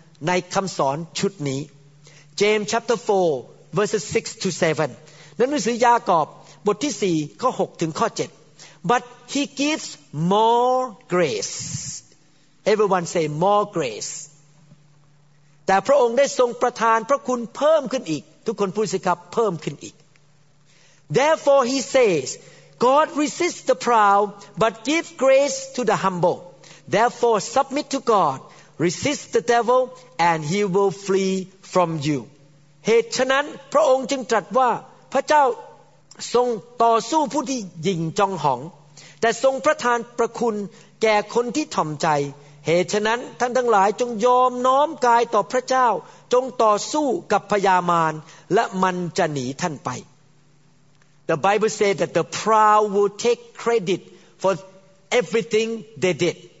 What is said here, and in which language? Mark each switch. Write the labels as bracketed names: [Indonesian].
[English] ในคำสอนชุดนี้ James chapter 4 verses 6 to 7 [Thai] นั้นหนังสือยากอบบทที่4ข้อ6ถึงข้อ7 [English] But he gives more grace Everyone say more grace [Thai] แต่พระองค์ได้ทรงประทานพระคุณเพิ่มขึ้นอีกทุกคนพูดสิครับเพิ่มขึ้นอีก [English] Therefore he saysGod resists the proud, but gives grace to the humble. Therefore, submit to God. Resist the devil, and he will flee from you. [Thai] เหตุฉะนั้นพระองค์จึงตรัสว่าพระเจ้าทรงต่อสู้ผู้ที่หยิ่งจองหองแต่ทรงประทานประคุณแก่คนที่ถ่อมใจเหตุฉะนั้นท่านทั้งหลายจงยอมน้อมกายต่อพระเจ้าจงต่อสู้กับพยามารและมันจะหนีท่านไป [English] The Bible says that the proud will take credit for everything they did.